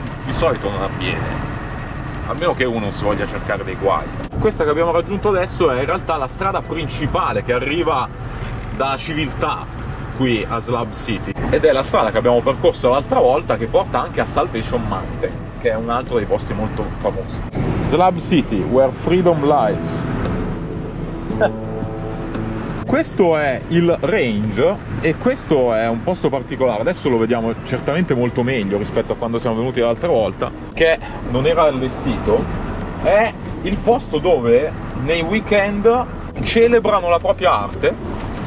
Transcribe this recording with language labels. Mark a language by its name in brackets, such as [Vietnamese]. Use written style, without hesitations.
[Italian] Di solito non avviene, almeno che uno si voglia cercare dei guai. Questa che abbiamo raggiunto adesso è in realtà la strada principale che arriva da Civiltà qui a Slab City ed è la strada che abbiamo percorso l'altra volta che porta anche a Salvation Mountain, che è un altro dei posti molto famosi. [English] Slab City, where freedom lies. [Italian] Questo è il range e questo è un posto particolare, adesso lo vediamo certamente molto meglio rispetto a quando siamo venuti l'altra volta, che non era allestito, è il posto dove nei weekend celebrano la propria arte.